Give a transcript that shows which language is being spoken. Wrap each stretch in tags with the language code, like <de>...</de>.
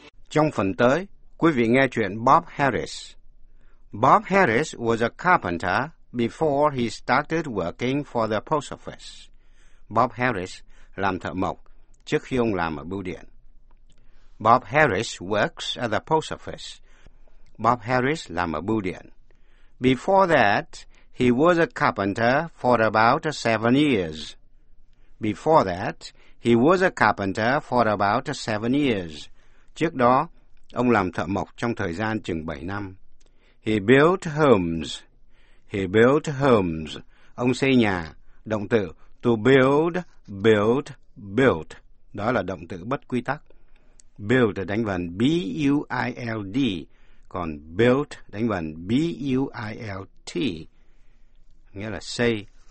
<vi>Trong phần tới, quý vị nghe chuyện Bob Harris.</vi> <en>Bob Harris was a carpenter before he started working for the post office.</en> <vi>Bob Harris làm thợ mộc trước khi ông làm ở bưu điện.</vi> <en>Bob Harris works at the post office.</en> <vi>Bob Harris làm ở bưu điện.</vi> <en>Before that, he was a carpenter for about 7 years. Before that, he was a carpenter for about 7 years.</en> <vi>Trước đó, ông làm thợ mộc trong thời gian chừng 7 năm.</vi> <en>He built homes. He built homes.</en> <vi>Ông xây nhà. Động từ to build, build, built. Đó là động từ bất quy tắc. Build đánh vần B-U-I-L-D, còn built đánh vần B-U-I-L-T, nghĩa là xây.</vi>